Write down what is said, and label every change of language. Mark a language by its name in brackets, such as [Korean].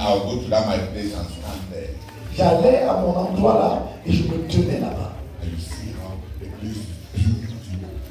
[English] I would go to that my place and stand there. [French] J'allais à mon endroit là et je me tenais là-bas. [English] And you see how the place is beautiful.